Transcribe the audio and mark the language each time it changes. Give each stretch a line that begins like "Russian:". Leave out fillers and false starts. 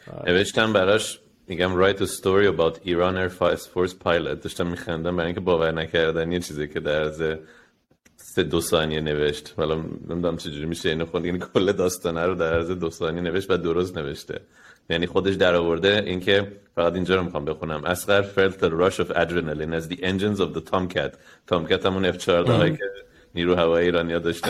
Persian: نوشتم براش میگم
English: write a story about Iran Air Force pilot.
Persian: داشتم میخندم برای اینکه باور نکردنی چیزی که در عرض 2 ثانیه نوشت. حالا نمیدونم چجوری میشه اینو خوند، یعنی کل داستانه رو در عرض 2 ثانیه نوشت و درست نوشته. یعنی خودش درآورده اینکه فقط اینجا رو میخوام بخونم.
English: اصغر felt the rush of adrenaline as the engines of the Tomcat.
Persian: Tomcat همون F-14 هایی که نیرو هوایی ایرانی ها داشتن.